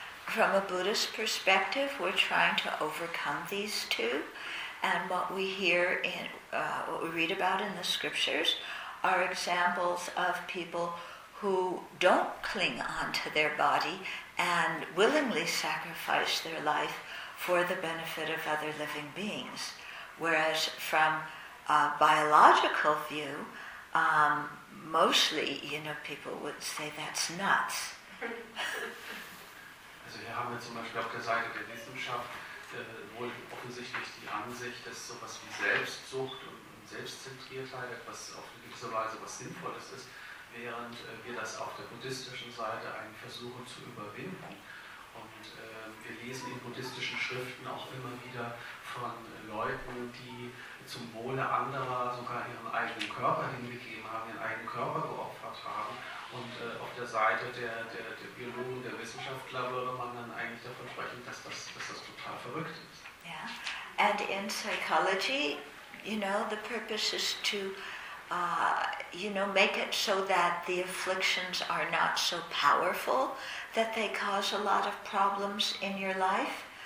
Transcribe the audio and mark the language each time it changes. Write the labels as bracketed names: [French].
[English] from a Buddhist perspective, we're trying to overcome these two, and what we hear in what we read about in the scriptures are examples of people who don't cling on to their body and willingly sacrifice their life for the benefit of other living beings. Whereas from a biological view, mostly, you know, people would say that's nuts. [German] Also hier haben wir zum Beispiel auf der Seite der Wissenschaft wohl offensichtlich die Ansicht, dass sowas wie Selbstsucht und Selbstzentriertheit etwas auf eine gewisse Weise was Sinnvolles ist, während wir das auf der buddhistischen Seite eigentlich versuchen zu überwinden. Und wir lesen in buddhistischen Schriften auch immer wieder von Leuten, die zum Wohle anderer sogar ihren eigenen Körper hingegeben haben, ihren eigenen Körper geopfert haben. Und auf der Seite der Biologen, der Wissenschaftler würde man dann eigentlich davon sprechen, dass das total verrückt ist. Ja, yeah. [English] And in psychology, you know, the purpose is to, you know, make it so that the afflictions are not so powerful that they cause a lot of problems in your life.